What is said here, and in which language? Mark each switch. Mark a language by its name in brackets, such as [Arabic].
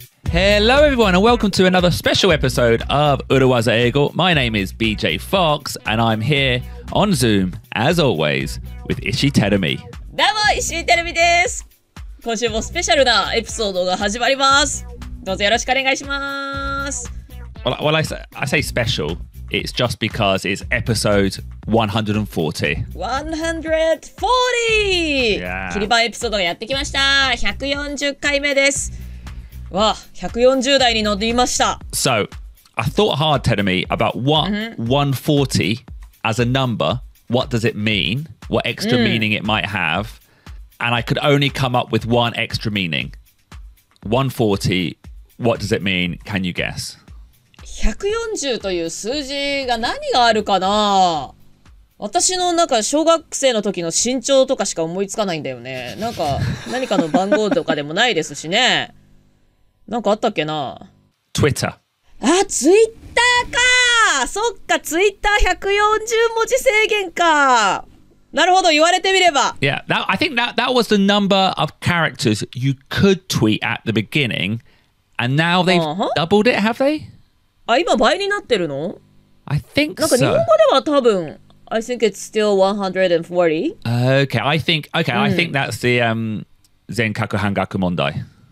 [English] Hello everyone and welcome to another special episode of 裏技英語. My name is BJ Fox and I'm here on Zoom, as always, with Ishii Terumi. [Japanese] どうも、Ishii Terumi です。今週もスペシャルなエピソードが始まります。どうぞよろしくお願いします。 [English] Well, I say special, it's just because it's episode 140. 140! [Japanese] キリバンエピソードがやってきました。 140回目です。わあ、140台に乗りました。 [English] So, I thought hard, Terumi, about what 140 as a number, what does it mean, what extra meaning it might have, and I could only come up with one extra meaning. 140, what does it mean? Can you guess? [Japanese] 140という数字が何があるかな? 私のなんか小学生の時の身長とかしか思いつかないんだよね。なんか何かの番号とかでもないですしね。なんかあったっけな Twitter。あ、Twitter か。そっか、Twitter 140文字制限か。なるほど、言われてみれば。 [English] Yeah, that, I think that, that was the number of characters you could tweet at the beginning. And now they've doubled it, have they? [Japanese] あ、今倍になってるの? [English] I think so. [Japanese] なんか日本語では多分 [English] I think it's still 140. Okay, I think, okay, I think that's the 全角半角問題。